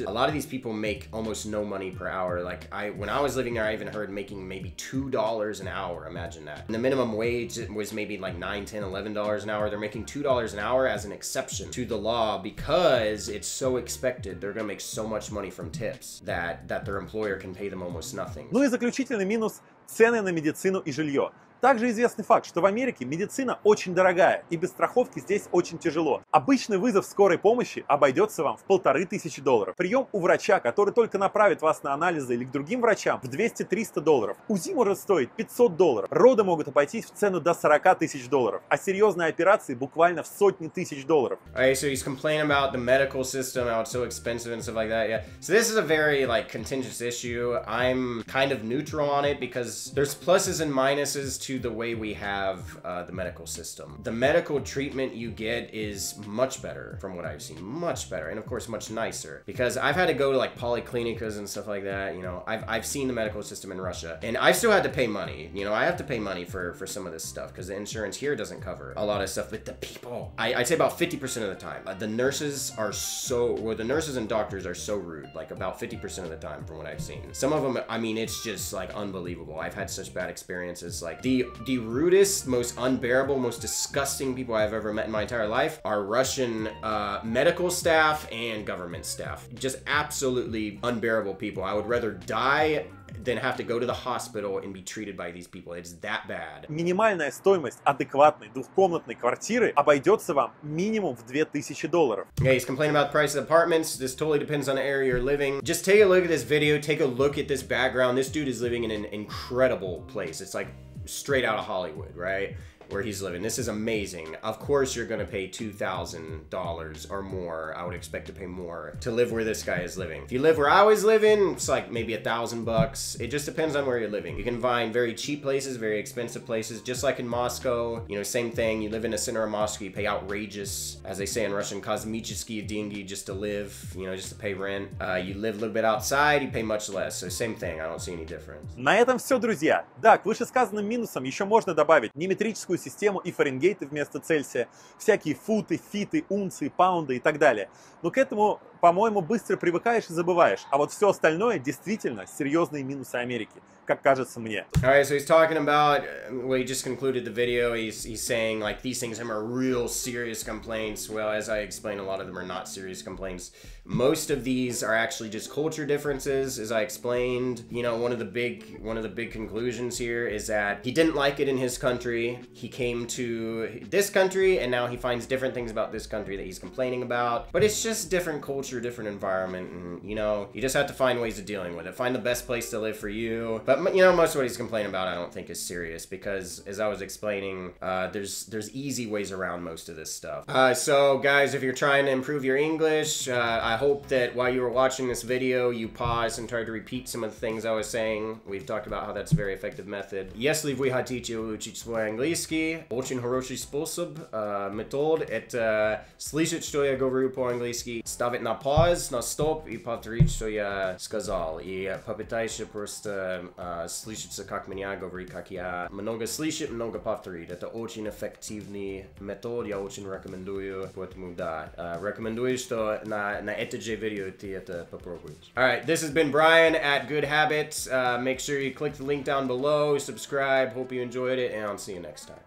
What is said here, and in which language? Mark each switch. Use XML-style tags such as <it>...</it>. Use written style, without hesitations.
<en>A lot of these people make almost no money per hour. Like when I was living there, I even heard making maybe $2 an hour. Imagine that. And the minimum wage was maybe like $9, $10, $11 an hour. They're making $2 an hour as an exception to the law because it's so expected. They're gonna make so much money from tips that their employer can pay them almost nothing.</en> <ru>Ну и заключительный минус. Цены на медицину и жилье. Также известный факт, что в Америке медицина очень дорогая, и без страховки здесь очень тяжело. Обычный вызов скорой помощи обойдется вам в $1500. Прием у врача, который только направит вас на анализы или к другим врачам, в $200-300. УЗИ может стоить $500. Роды могут обойтись в цену до $40,000. А серьезные операции буквально в сотни тысяч долларов.</ru> <en>Okay, so he's complaining about the medical system, how it's so expensive and stuff like that, yeah. So this is a very, like, contentious issue. I'm kind of neutral on it because there's pluses and minuses to the way we have the medical system. The medical treatment you get is much better from what I've seen, much better, and of course much nicer, because I've had to go to like polyclinics and stuff like that. You know, I've seen the medical system in Russia, and I still had to pay money. You know, I have to pay money for some of this stuff because the insurance here doesn't cover a lot of stuff. But the people, I'd say about 50% of the time, the nurses and doctors are so rude, like about 50% of the time from what I've seen. Some of them, I mean, it's just like unbelievable. I've had such bad experiences. Like the rudest, most unbearable, most disgusting people I've ever met in my entire life are Russian medical staff and government staff. Just absolutely unbearable people. I would rather die than have to go to the hospital and be treated by these people. It's that bad.</en> <ru>Минимальная стоимость адекватной двухкомнатной квартиры обойдется вам минимум в $2000.</ru> <en>Yeah, he's complaining about the price of apartments. This totally depends on the area you're living. Just take a look at this video. Take a look at this background. This dude is living in an incredible place. It's like straight out of Hollywood, right? Where he's living. This is amazing. Of course you're gonna pay $2,000 or more. I would expect to pay more to live where this guy is living. If you live where I was living, it's like maybe $1,000. It just depends on where you're living. You can find very cheap places, very expensive places, just like in Moscow. You know, same thing. You live in the center of Moscow, you pay outrageous, as they say in Russian,</en> <ru>kosmicheskiye deньги,</ru> <en>just to live, you know, just to pay rent. You live a little bit outside, you pay much less. So same thing, I don't see any difference.</en> <ru>На этом все, друзья. Да, к вышесказанным минусам еще можно добавить неметрическую систему и Фаренгейты вместо Цельсия, всякие футы, фиты, унции, паунды и так далее. Но к этому, по-моему, быстро привыкаешь и забываешь. А вот все остальное действительно серьезные минусы Америки, как кажется мне.</ru> <en>All right, so he's talking about, well, he just concluded the video, he's saying like these things are real serious complaints. Well, as I explained, a lot of them are not serious complaints. Most of these are actually just culture differences, as I explained. You know, one of the big conclusions here is that he didn't like it in his country. He came to this country and now he finds different things about this country that he's complaining about. But it's just different culture. culture, different environment, and, you know, you just have to find ways of dealing with it. Find the best place to live for you. But, you know, most of what he's complaining about, I don't think is serious, because, as I was explaining, there's easy ways around most of this stuff. So, guys, if you're trying to improve your English, I hope that while you were watching this video, you paused and tried to repeat some of the things I was saying. We've talked about how that's a very effective method.</en> <ru>Если вы хотите учить свой английский, очень хороший способ, метод, это слышать, что я говорю по-английски, ставить на pause, на stop, и повторить, что я сказал. И попытайся просто слышаться, как меня говорит, как я много слышит, много повторит. Это очень эффективный метод, я очень рекомендую, поэтому да, рекомендую, что на это же видео ты это попробуешь.</ru> <en>Alright, this has been Brian at Good Habits. Make sure you click the link down below, subscribe, hope you enjoyed it, and I'll see you next time.</en>